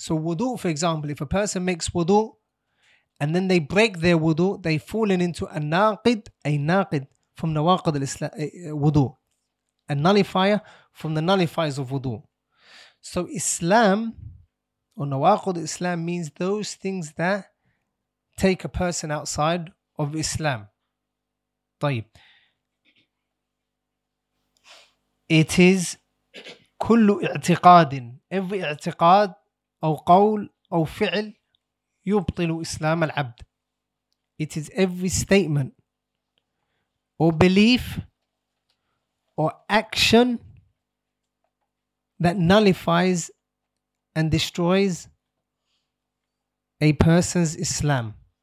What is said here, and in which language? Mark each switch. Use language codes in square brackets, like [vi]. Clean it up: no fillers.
[en] So wudu, for example, if a person makes wudu, and then they break their wudu, they've fallen into a naqid from nawaqid al-islam, wudu. A nullifier from the nullifiers of wudu. So Islam, or nawaqid al-islam, means those things that take a person outside of Islam. [ar] طيب. [en] It is [ar] كل اعتقاد [en] every [ar] اعتقاد أو قول أو فعل يبطل إسلام العبد. [en] It is every statement or belief or action that nullifies and destroys a person's Islam.